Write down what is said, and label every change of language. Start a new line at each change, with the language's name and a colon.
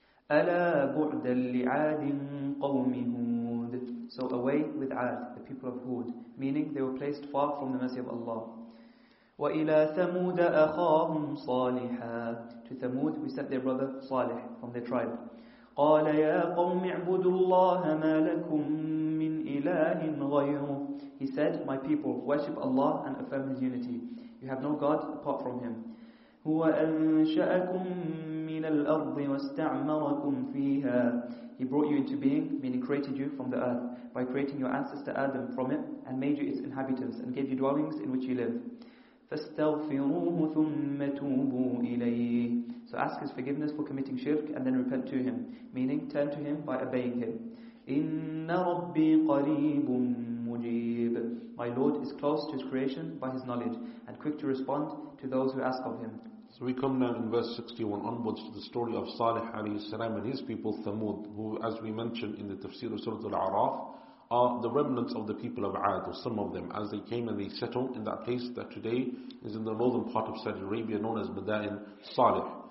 Arabic: أَلَا بُعْدًا لِعَادٍ قَوْمِ هُودٍ.
English: So away with Ad, the people of Hud, meaning they were placed far from the mercy of Allah.
Arabic: وَإِلَى ثَمُودَ أَخَاهُمْ صَالِحًا.
English: To Thamud we sent their brother Salih from their tribe.
Arabic: قال يا قوم اعبدوا الله ما لكم من إله غيره.
English: He said, my people, worship Allah and affirm His unity. You have no God apart from Him.
Arabic: هو أنشأكم من الأرض واستعمركم فيها.
English: He brought you into being, meaning created you from the earth, by creating your ancestor Adam from it and made you its inhabitants and gave you dwellings in which you live.
Arabic: فاستغفروه ثم توبوا إليه.
English: So ask His forgiveness for committing shirk and then repent to Him, meaning turn to Him by obeying Him.
Arabic: إِنَّ رَبِّي قَرِيبٌ مُجِيبٌ.
English: My Lord is close to His creation by His knowledge and quick to respond to those who ask of Him. So we come now in verse 61 onwards to the story of Salih alayhi salam and his people Thamud, who, as we mentioned in the tafsir of Surah Al-A'raf, are the remnants of the people of Ad, or some of them, as they came and they settled in that place that today is in the northern part of Saudi Arabia known as Bada'in Salih.